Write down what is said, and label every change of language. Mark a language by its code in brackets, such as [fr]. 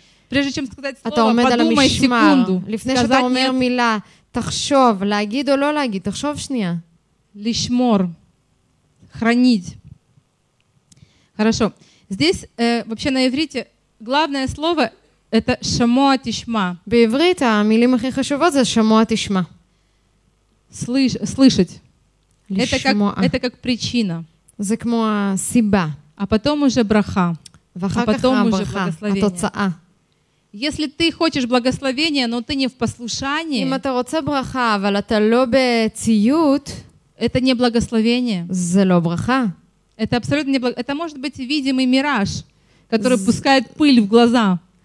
[ru] прежде чем сказать слово, подумай секунду. [he] לפני שאתה אומר מילה, תחשוב, להגיד או לא להגיד, תחשוב שנייה. [ru] לשמור, хранить. Хорошо. Здесь вообще на иврите главное слово это [he] шамоа тишма. בעברית המילים הכי חשובות זה שמוע תשמע. [ru] слышать. Это как причина. [he] זה כמו הסיבה. [ru] А потом уже браха. [he] ואחר כך הברכה, התוצאה. [ru] Если ты хочешь благословения, но ты не в послушании, [he] אם אתה רוצה ברכה, אבל אתה לא בציות, [ru] это не благословение. [he] זה לא ברכה. [ru] Это абсолютно не благ... Это может быть видимый мираж, который пускает пыль в глаза.